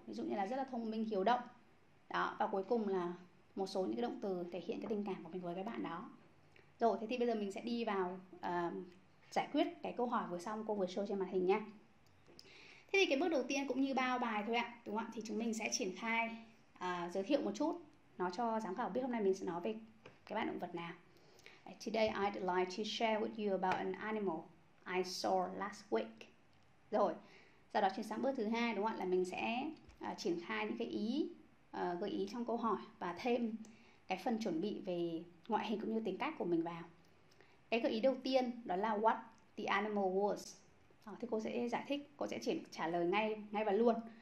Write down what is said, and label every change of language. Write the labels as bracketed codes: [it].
[vi] Ví dụ như là rất là thông minh, hiếu động. Đó. Và cuối cùng là một số những cái động từ thể hiện cái tình cảm của mình với các bạn đó. Rồi, thế thì bây giờ mình sẽ đi vào giải quyết cái câu hỏi vừa xong cô vừa show trên màn hình nha. Thế thì cái bước đầu tiên cũng như bao bài thôi ạ, đúng không ạ? Thì chúng mình sẽ triển khai giới thiệu một chút, nói cho giám khảo biết hôm nay mình sẽ nói về cái bạn động vật nào. [en] Today I'd like to share with you about an animal I saw last week. [vi] Rồi, sau đó chuyển sang bước thứ hai, đúng không ạ? Là mình sẽ triển khai những cái ý, gợi ý trong câu hỏi và thêm cái phần chuẩn bị về ngoại hình cũng như tính cách của mình vào. Cái gợi ý đầu tiên đó là what the animal was. Thì cô sẽ giải thích, cô sẽ trả lời ngay và luôn.